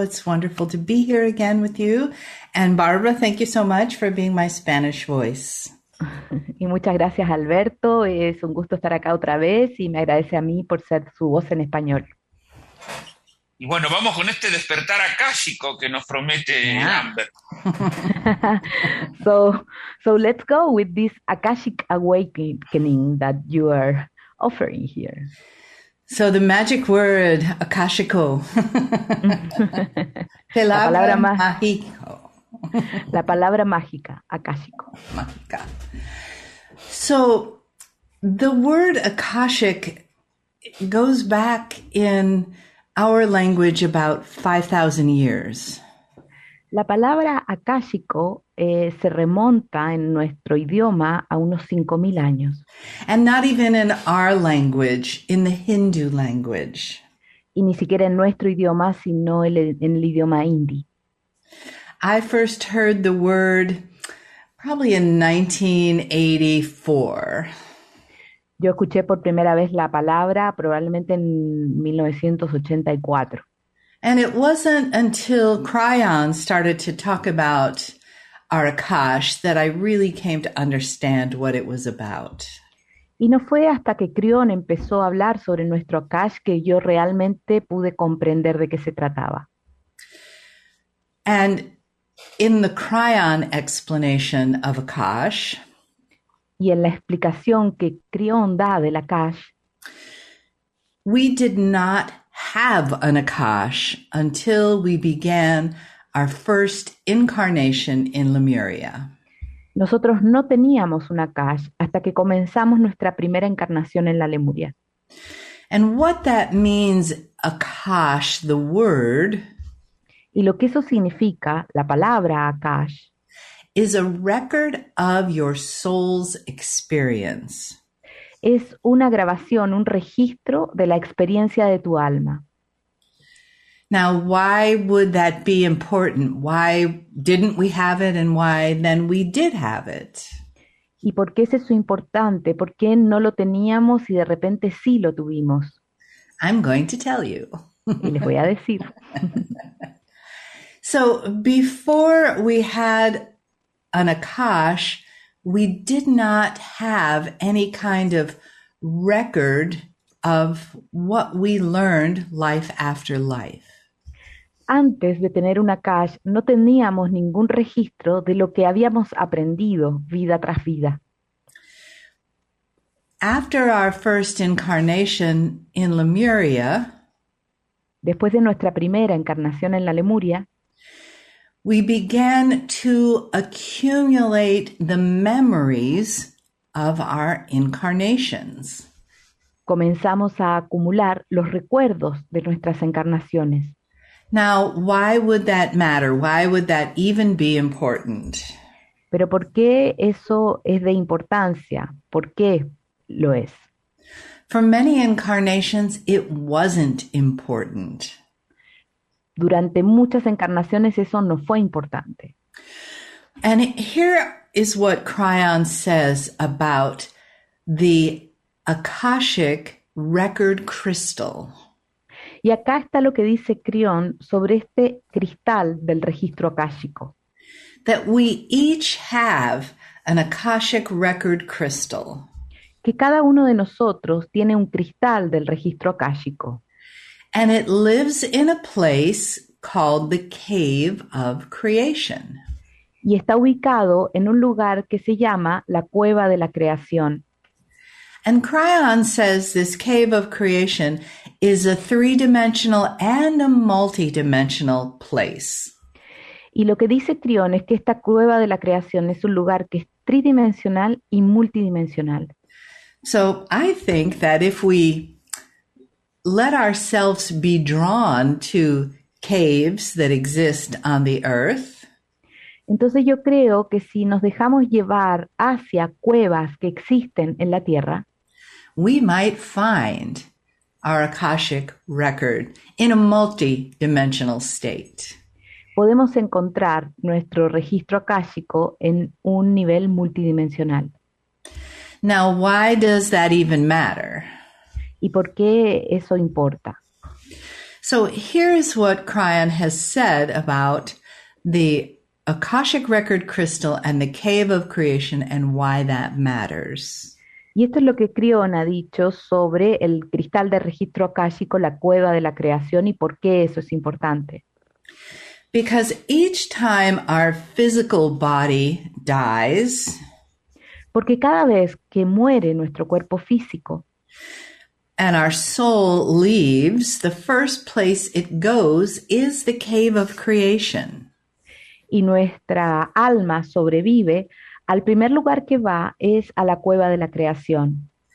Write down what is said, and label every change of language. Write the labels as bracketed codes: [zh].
[en] It's wonderful to be here again with you. And Barbara, thank you so much for being my Spanish voice. [es] Y muchas gracias, Alberto. Es un gusto estar acá otra vez y me agradece a mí por ser su voz en español. Y bueno, vamos con este despertar akáshico que nos promete Amber. [en] So let's go with this akashic awakening that you are offering here. So the magic word akashico. [es] La palabra mágica, akashico. Mágica. [en] So the word akashic goes back in our language about 5,000 years. [es] La palabra akáshico se remonta en nuestro idioma a unos 5,000 años. [en] And not even in our language, in the Hindu language. [es] Y ni siquiera en nuestro idioma, sino en el idioma hindi. [en] I first heard the word probably in 1984. [es] Yo escuché por primera vez la palabra probablemente en 1984. [en] And it wasn't until Kreyan started to talk about Akash that I really came to understand what it was about. [es] Y no fue hasta que Kreyan empezó a hablar sobre nuestro Akash que yo realmente pude comprender de qué se trataba. [en] And in the Kreyan explanation of Akash, [es] y en la explicación que Kreyan da del Akash, [en] we did not have an Akash until we began our first incarnation in Lemuria. [es] Nosotros no teníamos un Akash hasta que comenzamos nuestra primera encarnación en la Lemuria. [en] And what that means, Akash, the word, [es] y lo que eso significa, la palabra Akash, [en] is a record of your soul's experience. [es] Es una grabación, un registro de la experiencia de tu alma. [en] Now, why would that be important? Why didn't we have it, and why then we did have it? [es] ¿Y por qué es eso importante? ¿Por qué no lo teníamos y de repente sí lo tuvimos? [en] I'm going to tell you. [es] Y les voy a decir. [en] So, before we had an Akash, we did not have any kind of record of what we learned life after life. [es] Antes de tener un Akash, no teníamos ningún registro de lo que habíamos aprendido vida tras vida. [en] After our first incarnation in Lemuria, [es] después de nuestra primera encarnación en la Lemuria, [en] we began to accumulate the memories of our incarnations. [es] Comenzamos a acumular los recuerdos de nuestras encarnaciones. [en] Now, why would that matter? Why would that even be important? [es] Pero ¿por qué eso es de importancia? ¿Por qué lo es? [en] For many incarnations, it wasn't important. [es] Durante muchas encarnaciones eso no fue importante. [en] And here is what Kreon says about the Akashic record crystal. [es] Y acá está lo que dice Kreon sobre este cristal del registro akáshico. [en] That we each have an Akashic record crystal. [es] Que cada uno de nosotros tiene un cristal del registro akáshico. [en] And it lives in a place called the Cave of Creation. [es] Y está ubicado en un lugar que se llama la Cueva de la Creación. [en] And Kreon says this Cave of Creation is a three-dimensional and a multi-dimensional place. [es] Y lo que dice Kreon es que esta Cueva de la Creación es un lugar que es tridimensional y multidimensional. [en] So I think that if we let ourselves be drawn to caves that exist on the earth. [es] Entonces yo creo que si nos dejamos llevar hacia cuevas que existen en la tierra, [en] we might find our Akashic record in a multidimensional state. [es] Podemos encontrar nuestro registro akáshico en un nivel multidimensional. [en] Now, why does that even matter? [es] ¿Y por qué eso importa? [en] So here's what Kreon has said about the Akashic record crystal and the Cave of Creation and why that matters. [es] Y esto es lo que Kreon ha dicho sobre el cristal de registro akáshico, la Cueva de la Creación, y por qué eso es importante. [en] Because each time our physical body dies, [es] porque cada vez que muere nuestro cuerpo físico, [en] and our soul leaves, the first place it goes is the Cave of Creation. [es] Y nuestra alma sobrevive, al primer lugar que va es a la Cueva de la Creación.